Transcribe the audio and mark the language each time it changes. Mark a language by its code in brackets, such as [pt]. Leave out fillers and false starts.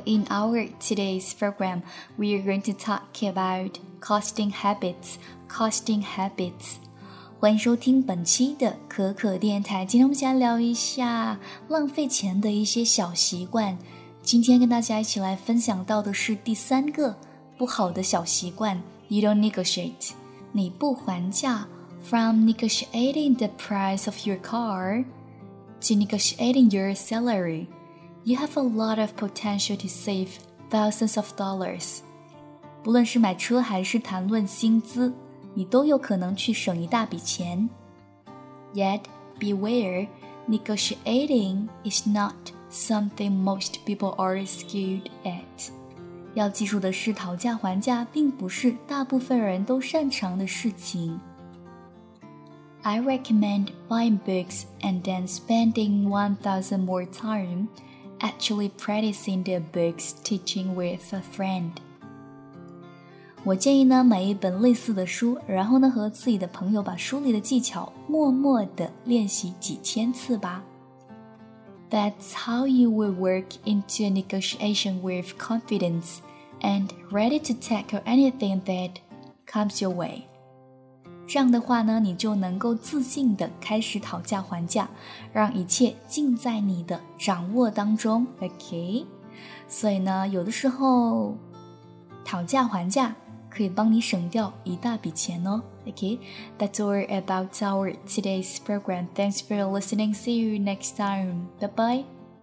[en] In our today's program, we are going to talk about costing habits. Costing habits. [zh] 欢迎收听本期的可可电台。今天我们先聊一下浪费钱的一些小习惯。今天跟大家一起来分享到的是第三个不好的小习惯。 [en] You don't negotiate. [zh] 你不还价。 [en] From negotiating the price of your car,to negotiating your salary, you have a lot of potential to save thousands of dollars. [zh] 不论是买车还是谈论薪资，你都有可能去省一大笔钱。 [en] Yet, beware, negotiating is not something most people are skilled at. [zh] 要记住的是，讨价还价并不是大部分人都擅长的事情。 [en] I recommend buying books and then spending 1,000 more time actually practicing the books teaching with a friend. [zh] 我建议呢买一本类似的书，然后呢和自己的朋友把书里的技巧默默地练习几千次吧。 [en] That's how you will work into a negotiation with confidence and ready to tackle anything that comes your way. [zh] 这样的话呢，你就能够自信地开始讨价还价，让一切尽在你的掌握当中。 OK， 所以呢，有的时候讨价还价可以帮你省掉一大笔钱哦。 [en] OK， that's all about our today's program. Thanks for listening. See you next time. Bye bye.